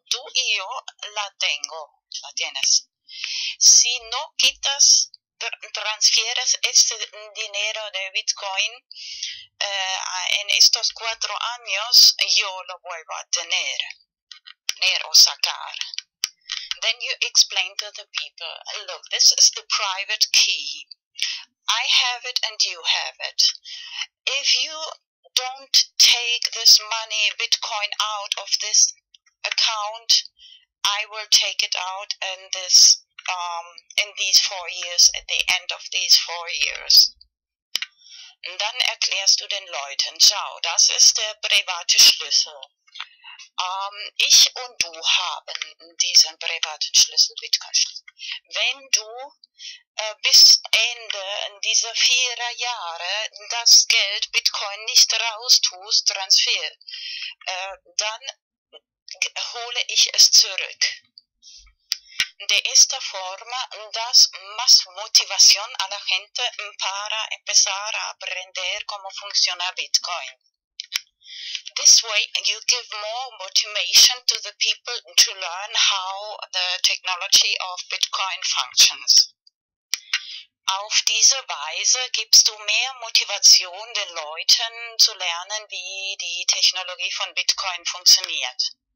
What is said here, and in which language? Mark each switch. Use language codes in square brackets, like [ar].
[es] Tú y yo la tengo, la tienes. Si no quitas, transfieres este dinero de Bitcoin en estos 4 años, yo lo vuelvo a tener o sacar. [en] Then you explain to the people, look, this is the private key. I have it and you have it. If you don't take this money, Bitcoin, out of this account, I will take it out in this, in these 4 years, at the end of these 4 years. [de] Und dann erklärst du den Leuten, schau, das ist der private Schlüssel. Ich und du haben diesen privaten Schlüssel, Bitcoin-Schlüssel. Wenn du bis Ende dieser 4 Jahre das Geld Bitcoin nicht raus tust, Transfer, dann hole ich es zurück. [es] De esta forma das más motivación a la gente para empezar a aprender cómo funciona Bitcoin. [en] This way you give more motivation to the people to learn how the technology of Bitcoin functions. [de] Auf diese Weise gibst du mehr Motivation den Leuten zu lernen, wie die Technologie von Bitcoin funktioniert.